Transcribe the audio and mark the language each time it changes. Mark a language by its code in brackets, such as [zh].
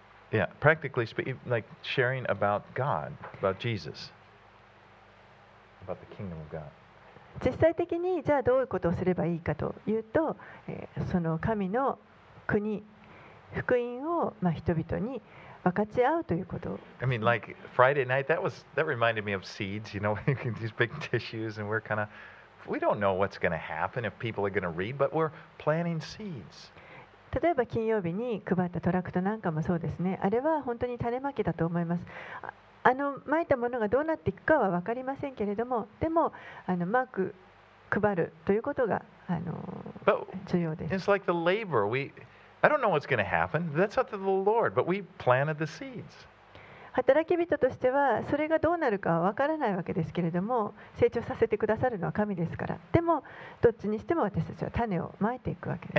[en] Yeah, practically speaking, like sharing about God, about Jesus, about the kingdom of God. [ja] 実際的にじゃあどういうことをすればいいかというと、その神の国、福音をまあ人々に分かち合うということ。 [en] I mean, like Friday night, that reminded me of seeds. You know, these big tissues, and we're kind of we don't know what's going to happen if people are going to read, but we're planting seeds. [ja] 例えば金曜日に配ったトラクトなんかもそうですね。あれは本当に種まきだと思います。まいたものがどうなっていくかは分かりませんけれども、でもマーク配るということが重要です。 [en] It's like the labor. I don't know what's going to happen. That's up to the Lord. But we planted the seeds. [ja] 働き人としてはそれがどうなるかは分からないわけですけれども、成長させてくださるのは神ですから。でもどっちにしても私たちは種をまいていくわけです。